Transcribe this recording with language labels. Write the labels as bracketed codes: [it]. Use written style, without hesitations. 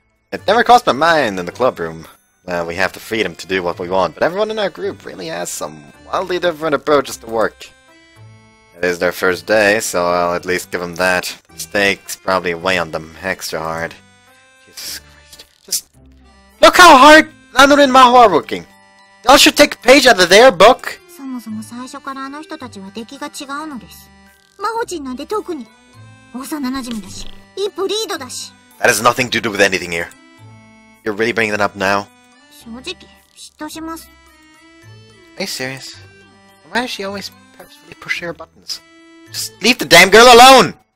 [en] It never crossed my mind in the club room. We have the freedom to do what we want, but everyone in our group really has some wildly different approaches to work. It is their first day, so I'll at least give them that. The stakes probably weigh on them extra hard. Jesus Christ. Just Look how hard Nanoru and Maho are working! Y'all should take a page out of their book! [ja] そもそも最初からあの人たちは敵が違うのです。マホチンなんて特に。幼馴染だし、一歩リードだし。 [en] That has nothing to do with anything here. You're really bringing that up now? [ja] 正直、嫉妬します。 [en] Are you serious? Why does she always purposefully push her buttons? Just leave the damn girl alone!